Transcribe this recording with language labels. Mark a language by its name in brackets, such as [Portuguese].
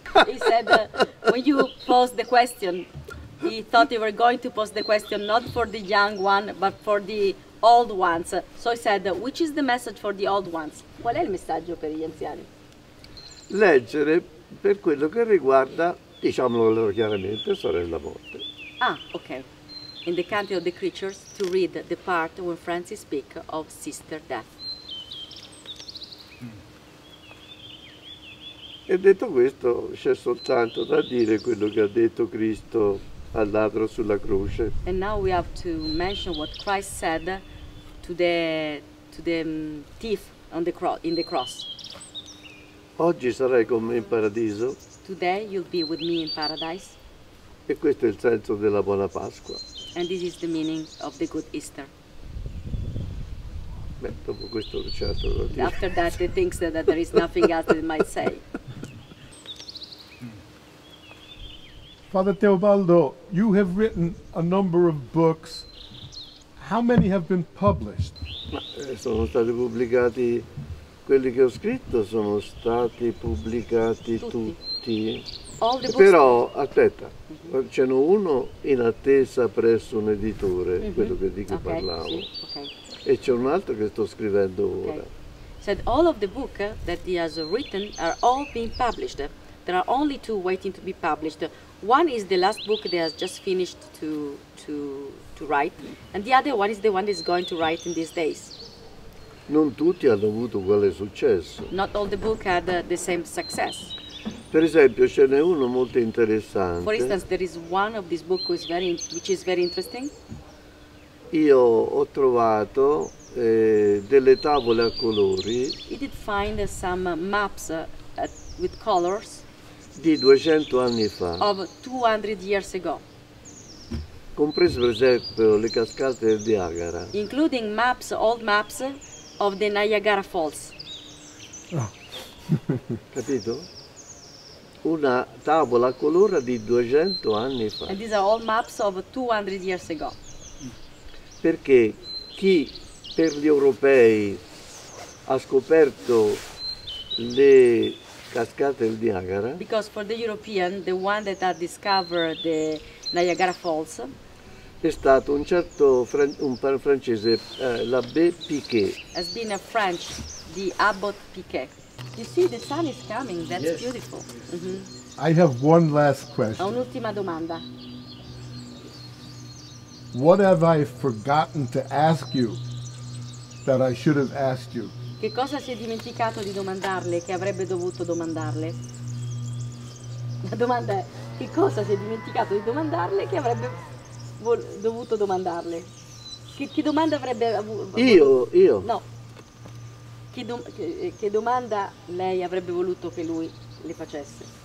[English] He said when you posed the question, he thought you were going to pose the question not for the young one but for the old ones. So he said, which is the message for the old ones? [Italian] Qual è il messaggio per gli anziani? Leggere per quello che riguarda, diciamolo allora chiaramente, sorella morte. [English] Ah, okay. In the country of the creatures, to read the part when Francis speak of sister death. [Italian] E detto questo, c'è soltanto da dire quello che ha detto Cristo al ladro sulla croce. [English] And now we have to mention what Christ said to the thief on the cross, in the cross. [Italian] Oggi sarai con me in paradiso. [English] Today you'll be with me in paradise. [Italian] E questo è il senso della buona Pasqua. [English] And this is the meaning of the good Easter. [Italian] Beh, dopo questo non c'è altro da dire. [English] After that he thinks that there is nothing else he might say. Father Teobaldo, you have written a number of books. How many have been published? [Italian] Sono stati pubblicati quelli che ho scritto, sono stati pubblicati tutti. Però, aspetta, ce n'è uno in attesa presso un editore, quello che di cui parlavo. Sì. Okay. E c'è un altro che sto scrivendo ora. [English] Said all of the book that he has written are all being published. There are only two waiting to be published. One is the last book that has just finished to write, and the other one is the one that is going to write in these days. [Italian] Non tutti hanno avuto uguale successo. [English] Not all the book had the same success. [Italian] Per esempio, ce n'è uno molto interessante. [English] For instance, there is one of this book which is very interesting. [Italian] io ho trovato delle tavole a colori. [English] He did find some maps with colors. [Italian] Di 200 anni fa. [English] Of 200 years ago. [Italian] Comprese per esempio le cascate del Niagara. [English] Including maps, old maps of the Niagara Falls. Oh. [Italian] Capito? Una tavola a colori di 200 anni fa. [English] And these are all maps of 200 years ago. [Italian] Perché chi per gli europei ha scoperto le cascate del Niagara? [English] Because for the European, the one that had discovered the Niagara Falls, [Italian] è stato un certo un francese, l'abbé Piquet. [English] Has been a French, the Abbot Piquet. You see, the sun is coming. That's yes. Beautiful. Mm-hmm. I have one last question. [Italian] Un'ultima domanda. [English] What have I forgotten to ask you that I should have asked you? [Italian] Che cosa si è dimenticato di domandarle che avrebbe dovuto domandarle? La domanda è: che cosa si è dimenticato di domandarle che avrebbe dovuto domandarle? Che domanda avrebbe avuto? Io? No. Che domanda lei avrebbe voluto che lui le facesse?